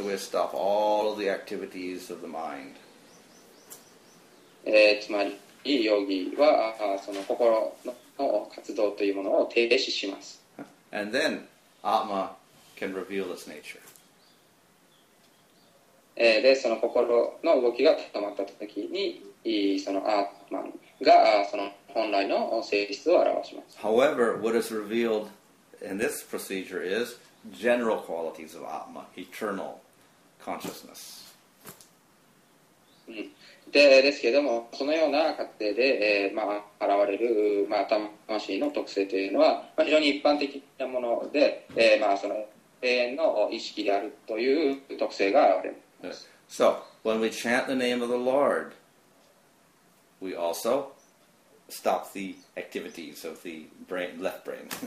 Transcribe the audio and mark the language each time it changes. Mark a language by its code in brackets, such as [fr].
[en] So we stop all of the activities of the mind. [ja] つまりヨギはその心の活動というものを停止します。 [en] And then Atma can reveal its nature. [ja] で、その心の動きが止まったときにそのアーマンがその本来の性質を表します。 [en] However, what is revealed in this procedure is general qualities of Atma, eternal consciousness. [ja] で、ですけれどもそのような過程で、現れる、魂の特性というのは、非常に一般的なもので、その永遠の意識であるという特性が現れます。 [en] So, when we chant the name of the LordWe also stop the activities of the brain, left brain.